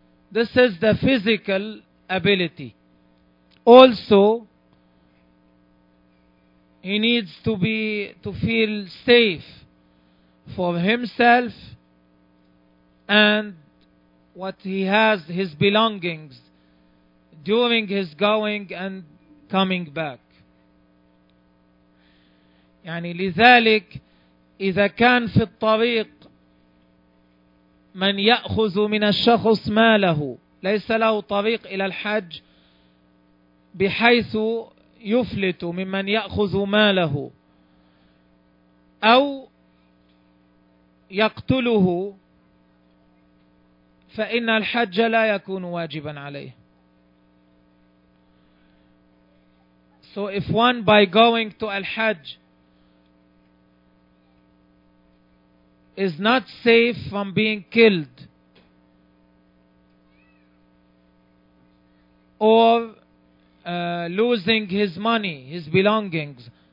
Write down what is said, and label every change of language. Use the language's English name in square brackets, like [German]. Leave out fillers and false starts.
[English] This is the physical ability. Also, he needs to feel safe for himself and what he has, his belongings, during his going and coming back. [Arabic] يعني لذلك إذا كان في الطريق من يأخذ من الشخص ماله ليس له طريق إلى الحج بحيث يفلت ممن يأخذ ماله أو يقتله فإن الحج لا يكون واجبا عليه. [English] So if one by going to Al-Hajj is not safe from being killed or losing his money, his belongings.